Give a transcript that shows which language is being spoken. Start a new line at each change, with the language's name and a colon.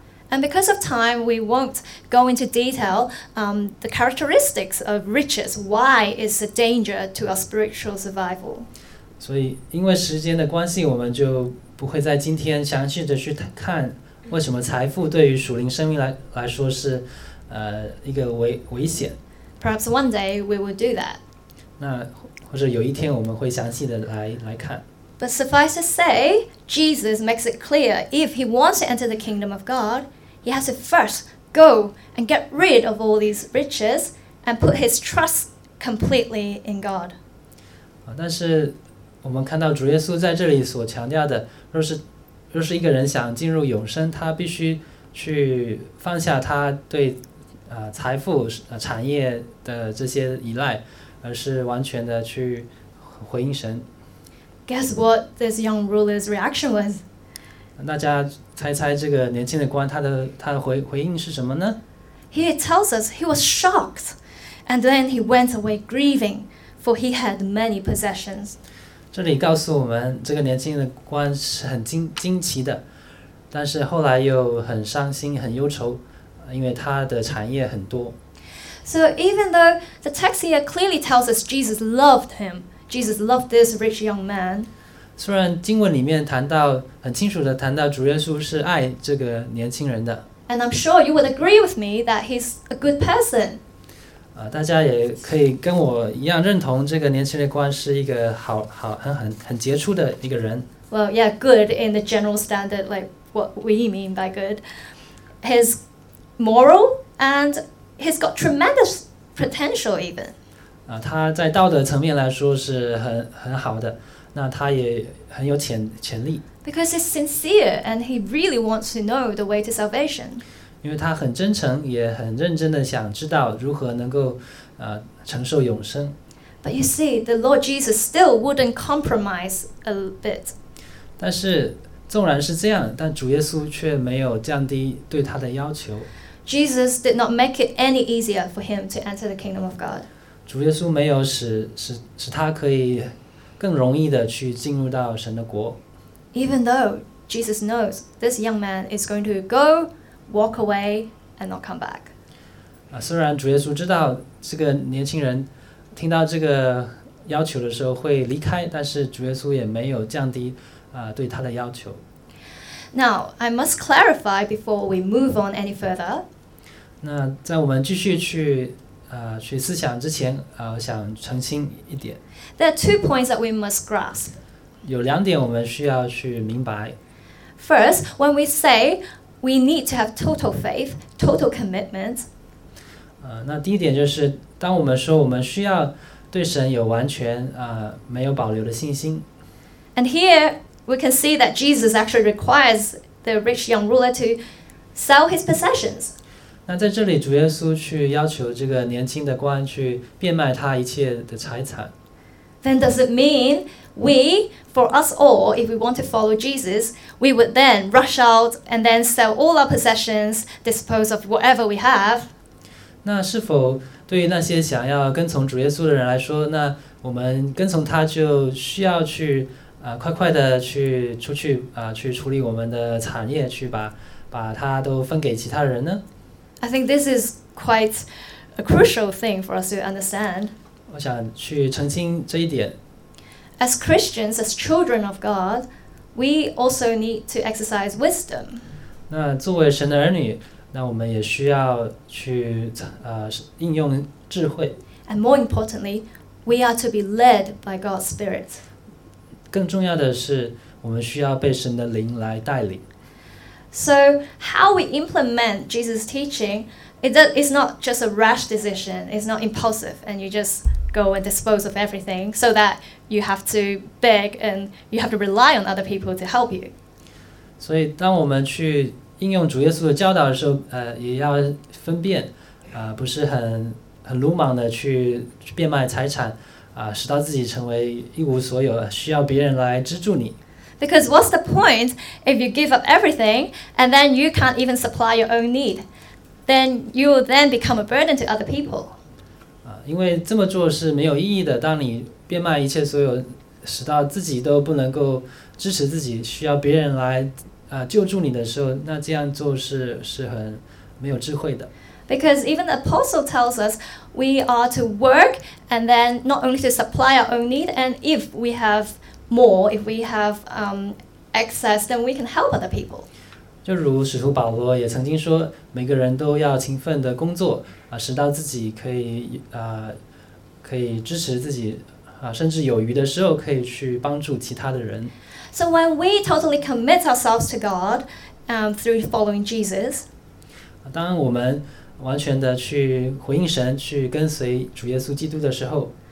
English: And because of time, we won't go into detail, the characteristics of riches, why it's a danger to our spiritual survival.
Chinese: 所以因为时间的关系，我们就不会在今天详细的去看为什么财富对于属灵生命来说是一个危险。
English: Perhaps one day we will do that.
Chinese: 那或者有一天我们会详细的来看。
English: But suffice to say, Jesus makes it clear if he wants to enter the kingdom of God, he has to first go and get rid of all these riches and put his trust completely in God.
Chinese: 但是我们看到主耶稣在这里所强调的，若是一个人想进入永生，他必须去放下他对财富产业的这些依赖，而是完全的去回应神。
English: Guess what this young ruler's reaction was?
Chinese: 大家猜猜这个年轻的官他的回应是什么呢？
English: He tells us he was shocked, and then he went away grieving, for he had many possessions.
Chinese: 这里告诉我们，这个年轻的官是很惊奇的，但是后来又很伤心，很忧愁，因为他的产业很多。
English: So even though the text here clearly tells us Jesus loved him, Jesus loved this rich young man.
Chinese: 虽然经文里面谈到，很清楚地谈到主耶稣是爱这个年轻人的。
English: And I'm sure you would agree with me that he's a good person.
Chinese: 大家也可以跟我一样认同这个年轻人官是一个很杰出的一个人。
English: Well, yeah, good in the general standard, like what we mean by good. His moral and he's got tremendous potential even.
Chinese: 他在道德层面来说是很好的，那他也很有潜力。
English: Because he's sincere and he really wants to know the way to salvation.
Chinese: 因为他很真诚，也很认真地想知道如何能够承受永生。
English: But you see, the Lord Jesus still wouldn't compromise a bit.
Chinese: 但是纵然是这样，但主耶稣却没有降低对他的要求。
English: Jesus did not make it any easier for him to enter the kingdom of God.
Chinese: 主耶稣没有使他可以更容易的去进入到神的国。
English: Even though Jesus knows this young man is going to go, walk away, and not come back.
Chinese: 虽然主耶稣知道这个年轻人听到这个要求的时候会离开，但是主耶稣也没有降低对他的要求。
English: Now, I must clarify before we move on any further.
Chinese: 那在我们继续去思想之前，想澄清一点。
English: There are two points that we must grasp.
Chinese: 有两点我们需要去明白。
English: First, when we say we need to have total faith, total commitment.
Chinese: 那第一点就是，当我们说我们需要对神有完全没有保留的信心。
English: And here,we can see that Jesus actually requires the rich young ruler to sell his possessions.
Chinese: 那在这里主耶稣去要求这个年轻的官去变卖他一切的财产。
English: Then does it mean we, for us all, if we want to follow Jesus, we would then rush out and then sell all our possessions, dispose of whatever we have?
Chinese: 那是否对于那些想要跟从主耶稣的人来说，那我们跟从他就需要去快快的去出去去处理我们的产业，去把它都分给其他人呢？
English: I think this is quite a crucial thing for us to understand.
Chinese: 我想去澄清这一点。
English: As Christians, as children of God, we also need to exercise wisdom.
Chinese: 那作为神的儿女，那我们也需要去应用智慧。
English: And more importantly, we are to be led by God's Spirit.
Chinese: 更重要的是，我们需要被神的灵来带领。
English: So how we implement Jesus' teaching, it's not just a rash decision. It's not impulsive, and you just go and dispose of everything so that you have to beg and you have to rely on other people to help you.
Chinese: 所以，当我们去应用主耶稣的教导的时候，也要分辨，不是很鲁莽的去变卖财产。使到自己成为一无所有，需要别人来资助你。
English: Because what's the point if you give up everything and then you can't even supply your own need? Then you will then become a burden to other people.
Chinese: 因为这么做是没有意义的。当你变卖一切所有，使到自己都不能够支持自己，需要别人来救助你的时候，那这样做是很没有智慧的。
English: Because even the apostle tells us we are to work and then not only to supply our own need, and if we have more, if we have excess, then we can help other people.
Chinese: 就如使徒保罗也曾经说，每个人都要勤奋的工作，使到自己可以支持自己，甚至有余的时候可以去帮助其他的人。
English: So when we totally commit ourselves to God, through following Jesus,
Chinese: 当我们完全的去回应神，去跟随主耶稣基督的时候，